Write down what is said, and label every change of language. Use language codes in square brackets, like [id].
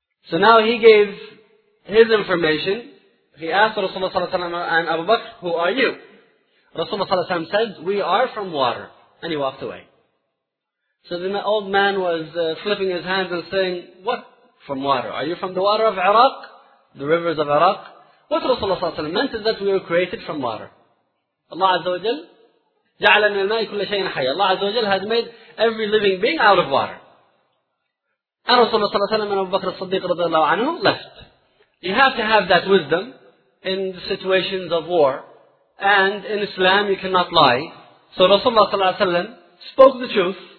[en] So now he gave his information. He asked Rasulullah ﷺ and Abu Bakr, "Who are you?" Rasulullah ﷺ said, "We are from water." And he walked away. So the old man was flipping his hands and saying, "What from water? Are you from the water of Iraq? The rivers of Iraq? What Rasulullah ﷺ meant is that we were created from water. [ar] Allah Azza wa Jal, جَعْلَ مِنَ الْمَاءِ كُلَّ شَيْءٍ حَيَّ." [en] Allah Azza wa Jal has made every living being out of water. And Rasulullah ﷺ and Abu Bakr al-Siddiq radiallahu anhu left. You have to have that wisdom in the situations of war. And in Islam you cannot lie. So Rasulullah ﷺ spoke the truth.